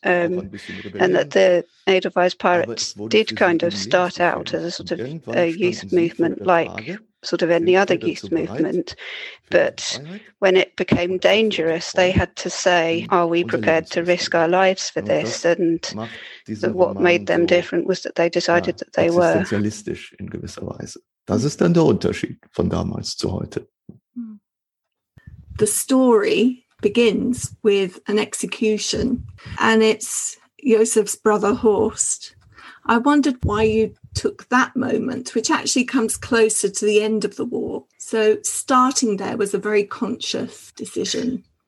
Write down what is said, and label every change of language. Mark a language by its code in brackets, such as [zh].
[en] And that the Edelweiss Pirates did kind of start out as a sort of a youth movement like sort of any other youth movement, but when it became dangerous, they had to say, are we prepared to risk our lives for this? And what made them different was that they decided that they were [de] existentialistisch in gewisser Weise. Das ist dann der Unterschied von damals zu heute. [en] The story begins with an execution, and it's Josef's brother Horst. I wondered why you took that moment, which actually comes closer to the end of the war. So starting there was a very conscious decision.